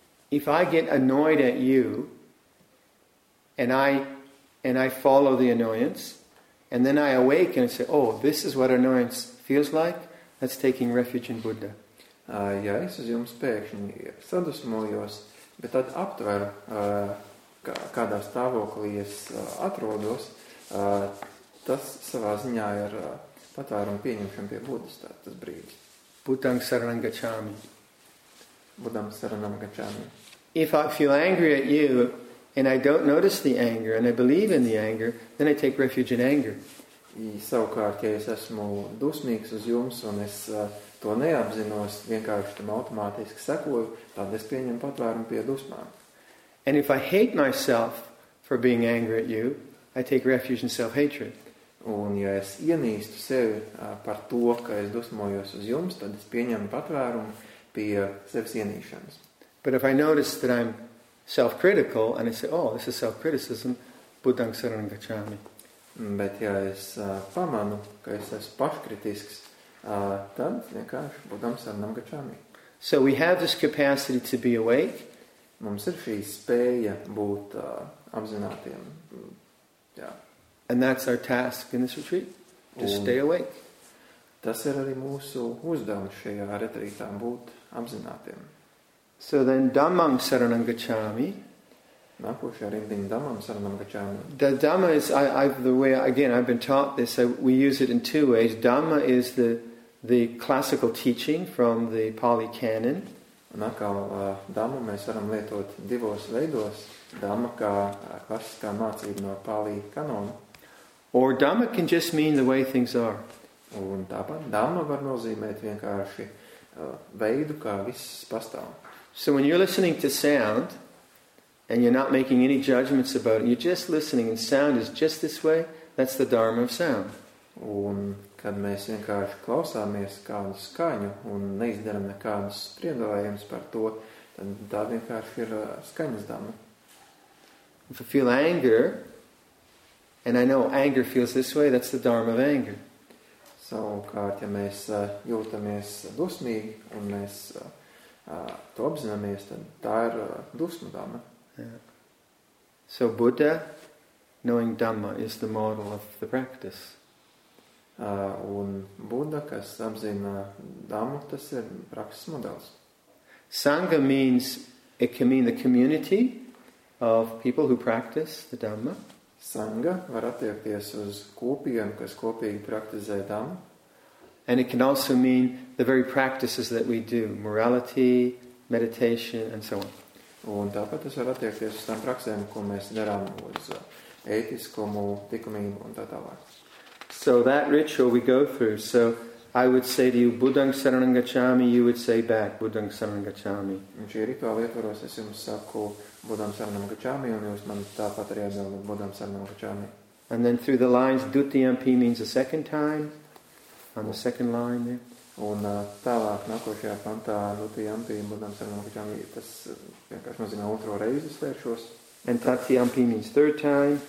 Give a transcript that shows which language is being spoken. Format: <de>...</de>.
<en>If I get annoyed at you and I follow the annoyance, and then I awaken and say, oh, this is what annoyance feels like, that's taking refuge in Buddha.</en> <lv>Ja es uz jums pēkšņi sadusmojos, bet tad aptveru, kādā stāvoklī es atrodos, tas savā ziņā ir patvērumu pieņemšanu pie Budas, tas brīdis.</lv> <pi>Buddhaṃ saraṇaṃ gacchāmi. Buddhaṃ saraṇaṃ gacchāmi.</pi> <en>If I feel angry at you, and I don't notice the anger, and I believe in the anger, then I take refuge in anger.</en> <lv>Savukārt, ja es esmu dusmīgs uz jums, un es to neapzinos, vienkārši tam automātiski sekoju, tad es pieņemu patvērumu pie dusmām.</lv> <en>And if I hate myself for being angry at you, I take refuge in self-hatred.</en> <lv>Un ja es ienīstu sevi par to, ka es dusmojos uz jums, tad es pieņemu patvērumu pie sevis ienīšanas.</lv> <en>But if I notice that I'm self-critical and I say, oh, this is self-criticism,</en> <pi>Buddhang Sarangachami.</pi> <lv>Bet ja es pamanu, ka es esmu paškritisks, tad vienkārši</lv> <pi>Buddhang Sarangachami.</pi> <en>So we have this capacity to be awake.</en> <lv>Mums ir šī spēja būt apzinātiem. Jā.</lv> <en>And that's our task in this retreat, to stay awake.</en> <lv>Tas ir arī mūsu uzdevums šajā retrītā, būt apzinātiem.</lv> <en>So then</en> <pi>Dhammang Saranangacchami.</pi> <lv>Nākošajā rindiņa</lv> <pi>Dhammang Saranangacchami.</pi> <en>The Dhamma is, the way, again, I've been taught this, we use it in two ways. Dhamma is the classical teaching from the Pali Canon.</en> <lv>Un atkal Dhamma mēs varam lietot divos veidos. Dhamma kā klasiskā mācība no Pali Kanona.</lv> <en>Or Dhamma can just mean the way things are.</en> <lv>Un tāpat Dhamma var nozīmēt vienkārši veidu, kā viss pastāv.</lv> <en>So when you're listening to sound, and you're not making any judgments about it, you're just listening, and sound is just this way, that's the Dharma of sound.</en> <lv>Un kad mēs vienkārši klausāmies kādu skaņu un neizdaram nekādus spriedzējumus par to, tad tā vienkārši ir skaņas Dhamma.</lv> <en>If I feel anger, and I know anger feels this way, that's the Dharma of anger.</en> <lv>Savukārt, ja mēs jūtamies dusmīgi, un mēs to apzināmies, tad tā ir dusma Dhamma.</lv> <en>So Buddha, knowing Dhamma, is the model of the practice.</en> <lv>Un Buddha, kas apzina Dhammu, tas ir prakses modelis.</lv> <en>Sangha means, it can mean the community of people who practice the Dhamma.</en> <lv>Sangha var attiekties uz kopiem, kas kopīgi praktizē Dhamma.</lv> <en>And it can also mean the very practices that we do, morality, meditation, and so on.</en> <lv>Un tāpat tas var attiekties uz tām praksēm, ko mēs darām uz ētiskumu, tikumību un tā tālāk.</lv> <en>So that ritual we go through, so I would say to you,</en> <pi>Buddhang Saranangacchami,</pi> <en>you would say back, Buddhang Saranangacchami.</en> <lv>Un šī rituāla ietvaros es jums saku,</lv> <pi>Buddhang Saranangacchami,</pi> <lv>un jūs man tāpat arī atbildat, Buddhang Saranangacchami.</lv> <en>And then through the lines, Dutiyampi means a second time, on the second line there.</en> <lv>Un tālāk, nākošajā pantā, Dutiyampi,</lv> <pi>Buddhang Saranangacchami,</pi> <lv>tas vienkārši nozīmē otro reizi svēršos.</lv> <en>And Tatiyampi means third time.</en>